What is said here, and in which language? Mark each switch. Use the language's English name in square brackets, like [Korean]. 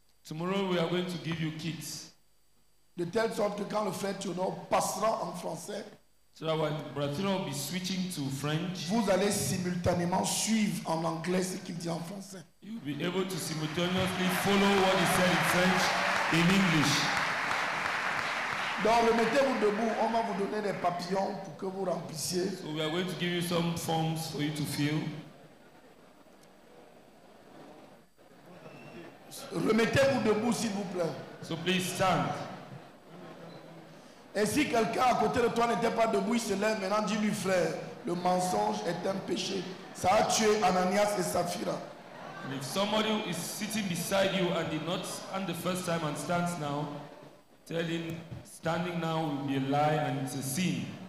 [English] Tomorrow, we are going to give you kits. [French] De telle sorte que quand le frère Théodore passera en français, [English] so that when Bratino will be switching to French, [French] vous allez simultanément suivre en anglais ce qu'il dit en français. [English] You will be able to simultaneously follow what he said in French in English. [French] Donc remettez-vous debout, on va vous donner des papillons pour que vous remplissiez. [English] So we are going to give you some forms for you to fill. [French] Remettez-vous debout, s'il vous plaît. [English] So please stand. [French] Et si quelqu'un à côté de toi n'était pas debout, il se lève maintenant, dis-lui, frère, le mensonge est un péché. Ça a tué Ananias et Sapphira. [English] And if somebody is sitting beside you and did not stand the first time and stands now, tell him, standing now will be a lie and it's a sin.